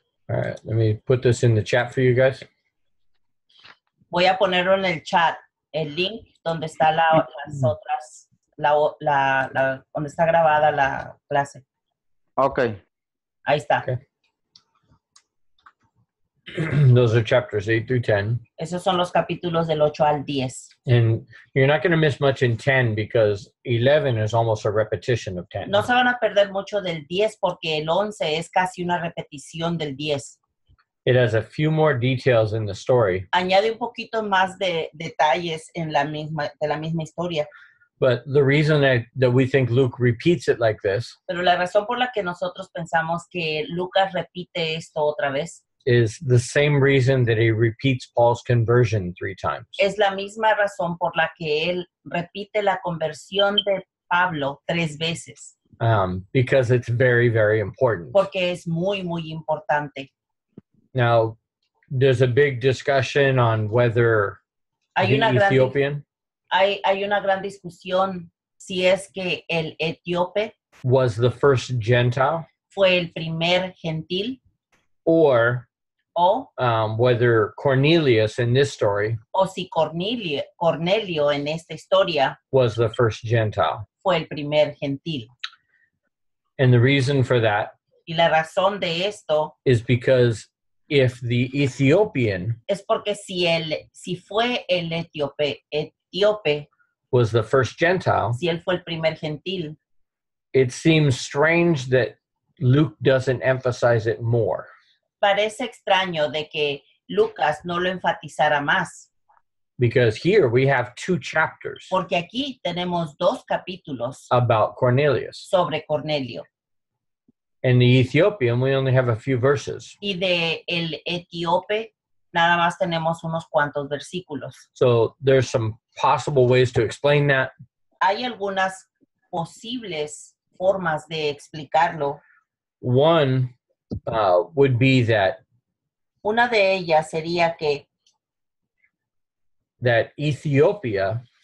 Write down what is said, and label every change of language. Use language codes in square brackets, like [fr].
[en] All right, let me put this in the chat for you guys. [es] Voy a ponerlo en el chat, el link donde está donde está grabada la clase. [en] Okay. [es] Ahí está. [en] Okay. Those are chapters 8 through 10. [es] Esos son los capítulos del 8 al 10. [en] And you're not going to miss much in 10 because 11 is almost a repetition of 10. [es] No se van a perder mucho del 10 porque el 11 es casi una repetición del 10. [en] It has a few more details in the story. [es] Añade un poquito más de detalles en la misma historia. [en] But the reason that we think Luke repeats it like this. [es] Pero la razón por la que nosotros pensamos que Lucas repite esto otra vez. [en] Is the same reason that he repeats Paul's conversion 3 times. [es] Es la misma razón por la que él repite la conversión de Pablo 3 veces. [en] Because it's very, very important. [es] Porque es muy, muy importante. [en] Now, there's a big discussion on whether [es] hay [en] the [es] una [en] Ethiopian. [es] Gran, hay una gran discusión si es que el etíope [en] was the first Gentile, [es] fue el primer gentil, [en] or [es] o, [en] whether Cornelius in this story, [es] o si Cornelio en esta historia, [en] was the first Gentile, [es] fue el primer gentil. [en] And the reason for that, [es] y la razón de esto, [en] is because if the Ethiopian, [es] es porque si el, si fue el etíope, etíope, [en] was the first Gentile, [es] si él fue el primer gentil, [en] it seems strange that Luke doesn't emphasize it more. [es] Parece extraño de que Lucas no lo enfatizara más. [en] Because here we have two chapters. [es] Porque aquí tenemos dos capítulos. [en] About Cornelius. [es] Sobre Cornelio. [en] And the Ethiopian, we only have a few verses. [es] Y de el etíope, nada más tenemos unos cuantos versículos. [en] So there's some possible ways to explain that. [es] Hay algunas posibles formas de explicarlo. [en] One would be that [es] una de ellas sería que [en] that Ethiopia